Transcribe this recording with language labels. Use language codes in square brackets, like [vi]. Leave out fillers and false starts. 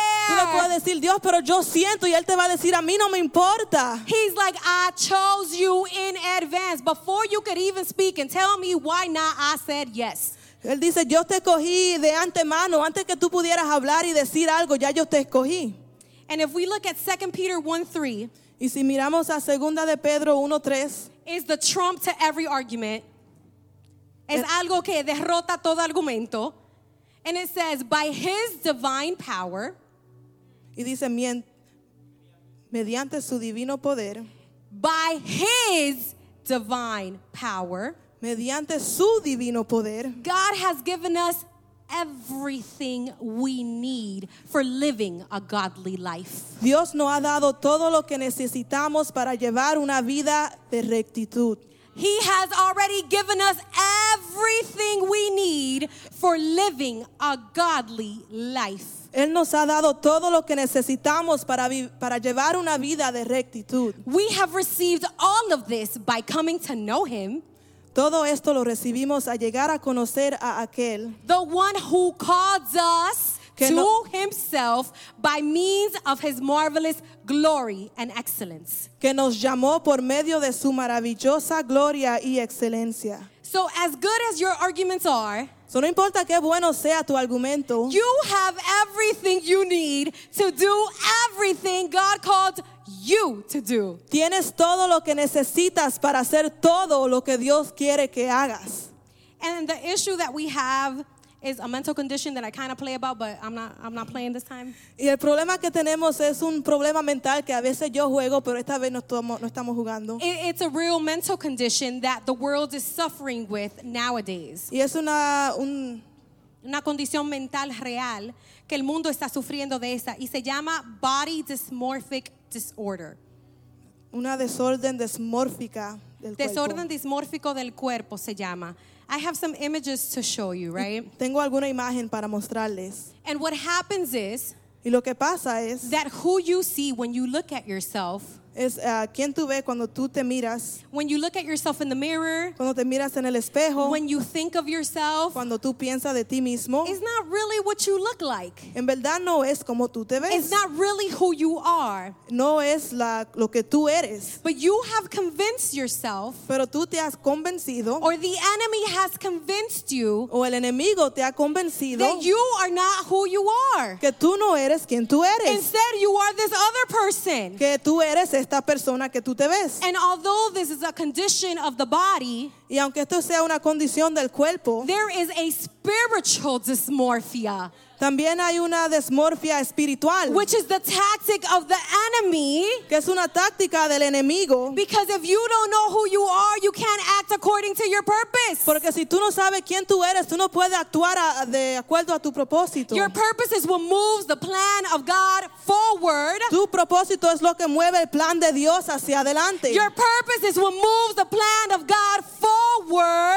[es] Tú le puedes decir, Dios, pero yo siento. Y Él te va a decir, a mí no me importa. [en] He's like, I chose you in advance before you could even speak and tell me why not. I said yes. [es] Él dice, yo te escogí de antemano, antes que tú pudieras hablar y decir algo, ya yo te escogí. [en] And if we look at 2 Peter 1:3, [es] Y si miramos a segunda de Pedro 1:3, [en] is the trump to every argument. [es] Es algo que derrota todo argumento. [en] And it says, by his divine power. [es] Y dice, mediante su divino poder. [en] By his divine power. [es] Mediante su divino poder. [en] God has given us everything we need for living a godly life. [es] Dios nos ha dado todo lo que necesitamos para llevar una vida de rectitud. [en] He has already given us everything we need for living a godly life. [es] Él nos ha dado todo lo que necesitamos para llevar una vida de rectitud. [en] We have received all of this by coming to know him. [es] Todo esto lo recibimos al llegar a conocer a aquel. [en] The one who calls us to himself by means of his marvelous glory and excellence. [es] Que nos llamó por medio de su maravillosa gloria y excelencia. [en] So as good as your arguments are, [es] so no importa qué bueno sea tu argumento, [en] you have everything you need to do everything God called you to do. [es] Tienes todo lo que necesitas para hacer todo lo que Dios quiere que hagas. [en] And the issue that we have is a mental condition that I kind of play about, but I'm not playing this time. [es] Y el problema que tenemos es un problema mental que a veces yo juego, pero esta vez no estamos jugando. [en] It's a real mental condition that the world is suffering with nowadays. [es] Y es una condición mental real que el mundo está sufriendo de esa, y se llama body dysmorphic disorder. Una desorden dismórfica del cuerpo. Desorden dismórfico del cuerpo se llama. [en] I have some images to show you, right? [es] Tengo alguna imagen para mostrarles. [en] And what happens is, [es] y lo que pasa es, [en] that who you see when you look at yourself, [es] es quien tú ves cuando tú te miras, [en] when you look at yourself in the mirror, [es] cuando te miras en el espejo, [en] when you think of yourself, [es] cuando tú piensas de ti mismo, [en] is not really what you look like. [es] En verdad no es como tú te ves. [en] It's not really who you are. [es] No es lo que tú eres. [en] But you have convinced yourself, [es] pero tú te has convencido, [en] or the enemy has convinced you, [es] o el enemigo te ha convencido, [en] that you are not who you are. [es] Que tú no eres quien tú eres. [en] Instead, you are this other person. [es] Que tú eres esta persona que tú te ves. [en] And although this is a condition of the body, [es] y aunque esto sea una condición del cuerpo, [en] there is a spiritual dysmorphia. [es] También hay una dysmorphia espiritual, [en] which is the tactic of the enemy, [es] que es una táctica del enemigo. [en] Because if you don't know who you are, you can't act according to your purpose. [es] Porque si tú no sabes quién tú eres, tú no puedes actuar de acuerdo a tu propósito. [en] Your purpose is what moves the plan of God forward. [es] Tu propósito es lo que mueve el plan de Dios hacia adelante. [en] Your purpose is what moves the plan of God forward.